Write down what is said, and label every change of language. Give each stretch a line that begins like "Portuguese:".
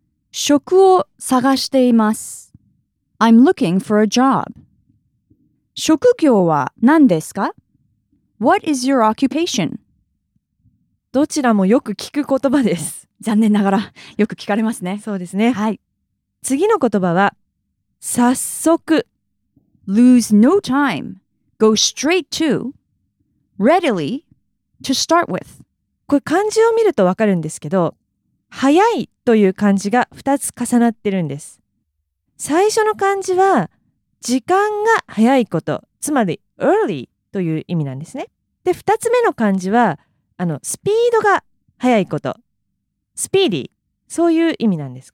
Japanese: 職を探しています。
English: I'm looking for a job.
Japanese: 職業は何ですか？
English: What is your occupation?
Japanese: どちらもよく聞く言葉です。残念ながらよく聞かれますね。そうですね。はい。次の言葉は早速。
English: Lose no time. Go straight to. Readily. To start with.
Japanese: これ漢字を見るとわかるんですけど、早いという漢字が2つ重なってるんです。最初の漢字は時間が早いこと、つまり early という意味なんですね。で、2つ目の漢字はスピードが早いこと、スピーディー、そういう意味なんです。